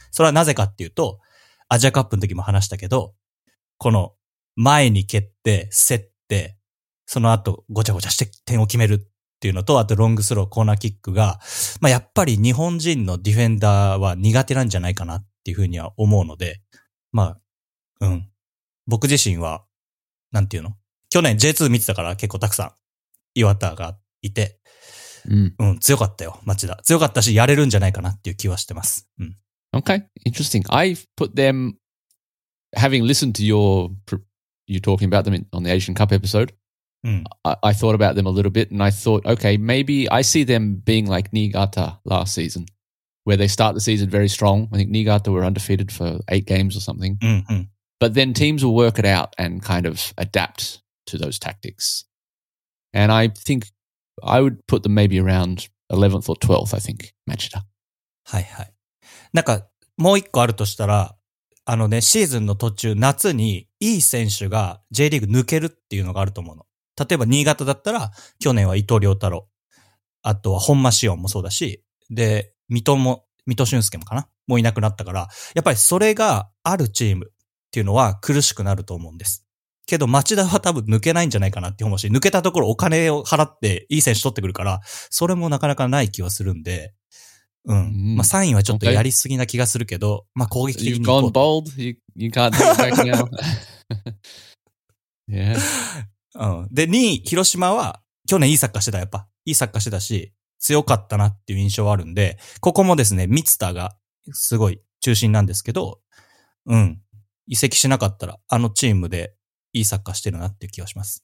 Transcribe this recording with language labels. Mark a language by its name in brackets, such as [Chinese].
[Japanese] それはなぜかっていうと、アジアカップの時も話したけど、この前に蹴って、競って、その後ごちゃごちゃして点を決めるっていうのと、あとロングスロー、コーナーキックが、まあ、やっぱり日本人のディフェンダーは苦手なんじゃないかなっていうふうには思うので、まあ、僕自身は、なんていうの? 去年 J2 見てたから結構たくさん、岩田がいて、強かったよ、町田。強かったし、やれるんじゃないかなっていう気はしてます。 [English] Okay, interesting. I've put them, having listened to you talking about them on the Asian Cup episode, I thought about them a little bit and I thought, okay, maybe I see them being like Niigata last season, where they start the season very strong. I think Niigata were undefeated for 8 games or something. But then teams will work it out and kind of adapt to those tactics. And I think I would put them maybe around 11th or 12th, I think, Machida. [Japanese] はいはい。なんかもう一個あるとしたら、あのね、シーズンの途中、夏にいい選手が J リーグ抜けるっていうのがあると思うの。例えば新潟だったら、去年は伊藤亮太郎、あとは本間志音もそうだし、で、水戸俊介もかな、もういなくなったから、やっぱりそれがあるチーム。っていうのは苦しくなると思うんです。けど町田は多分抜けないんじゃないかなって思うし、抜けたところお金を払っていい選手取ってくるから、それもなかなかない気はするんで、まあ3位はちょっとやりすぎな気がするけど、まあ攻撃的に行こう。 [English] You've gone bold. You can't take it back now. Yeah. [Japanese] で2位広島は去年いいサッカーしてた、やっぱいいサッカーしてたし強かったなっていう印象はあるんで、ここもですね、満田がすごい中心なんですけど、移籍しなかったら、あのチームでいいサッカーしてるなっていう気はします。